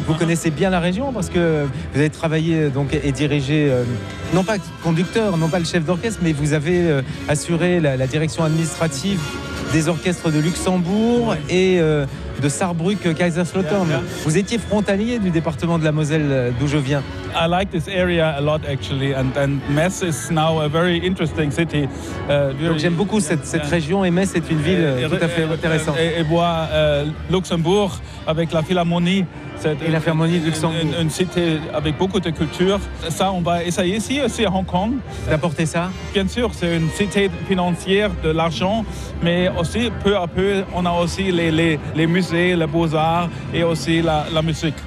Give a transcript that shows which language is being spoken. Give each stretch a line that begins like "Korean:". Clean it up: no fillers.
French: vous connaissez bien la région parce que vous avez travaillé donc et dirigé, non pas conducteur, non pas le chef d'orchestre, mais vous avez assuré la direction administrative des orchestres de Luxembourg et de Sarrebruck-Kaiserslautern. Yeah, yeah. Vous étiez frontalier du département de la Moselle d'où je viens.
English: I like this area a lot actually, and Metz is now a very interesting city.
French: Donc j'aime beaucoup cette région, et Metz est une ville tout à fait intéressante. Et voir Luxembourg avec la Philharmonie. Et la Philharmonie de Luxembourg. Une cité avec beaucoup de culture. Ça, on va essayer ici aussi à Hong Kong. D'apporter ça. Bien sûr, c'est une cité financière de l'argent, mais aussi, peu à peu, on a aussi les musées, les beaux-arts et aussi la musique.